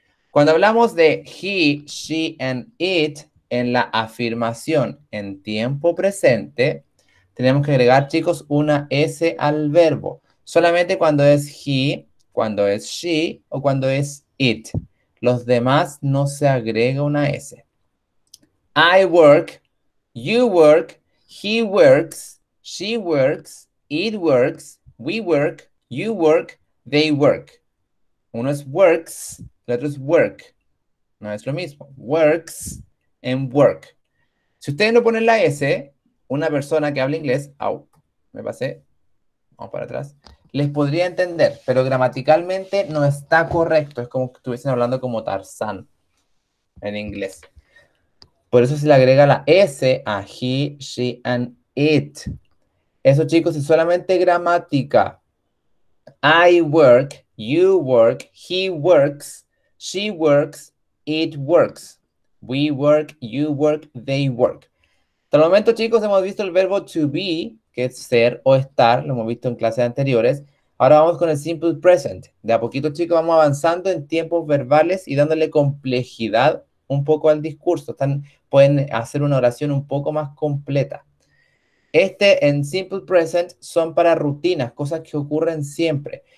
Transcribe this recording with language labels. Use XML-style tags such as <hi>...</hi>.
<es>Cuando hablamos de</es> <en>he, she, and it,</en> <es>en la afirmación en tiempo presente, tenemos que agregar, chicos, una S al verbo. Solamente cuando es he, cuando es she o cuando es it. Los demás no se agrega una S.</es> <en>I work, you work, he works, she works, it works, we work, you work, they work.</en> <es>Uno es works, el otro es work. No es lo mismo. Works. En work. Si ustedes no ponen la S, una persona que habla inglés, au, me pasé, vamos para atrás, les podría entender, pero gramaticalmente no está correcto. Es como que estuviesen hablando como Tarzán en inglés. Por eso se le agrega la S a</es> <en>he, she, and it.</en> <es>Eso, chicos, es solamente gramática.</es> <en>I work, you work, he works, she works, it works. We work, you work, they work.</en> <es>Hasta el momento, chicos, hemos visto el verbo to be, que es ser o estar, lo hemos visto en clases anteriores. Ahora vamos con el simple present. De a poquito, chicos, vamos avanzando en tiempos verbales y dándole complejidad un poco al discurso. Pueden hacer una oración un poco más completa. Este en simple present son para rutinas, cosas que ocurren siempre.</es>